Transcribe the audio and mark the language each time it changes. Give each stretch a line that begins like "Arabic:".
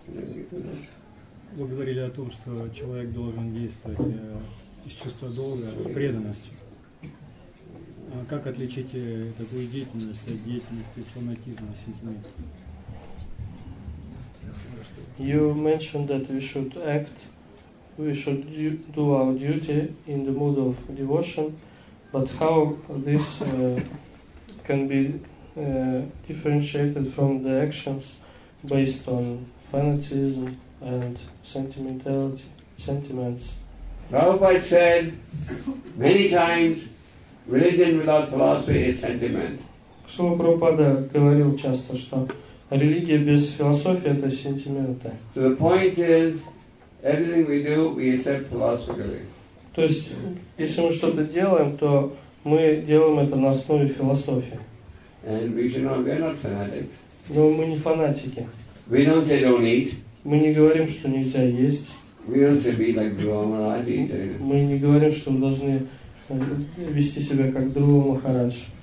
Russian: Вы говорили о том, что человек должен действовать из чувства долга, с преданностью. А как отличить такую деятельность от деятельности фанатизма с людьми?
English: You mentioned that we should act, we should do our duty in the mood of devotion, but how this can be differentiated from the actions based on fanatism and sentimentality, sentiments? Prabhupada said many times, religion without philosophy is sentiment.
Russian: Шрила Прабхупада говорил часто, что религия без философии — это сентименты.
English: So the point is, everything we do, we accept philosophically.
Russian: То есть, если мы что-то делаем, то мы делаем это на основе философии.
English: And we should not, we're not fanatics.
Russian: Но мы не фанатики.
English: We don't say don't eat.
Russian: Мы не говорим, что нельзя есть.
English: We don't say be like Guru Maharaj either.
Russian: Мы не говорим, что мы должны вести себя как Друва Махарадж.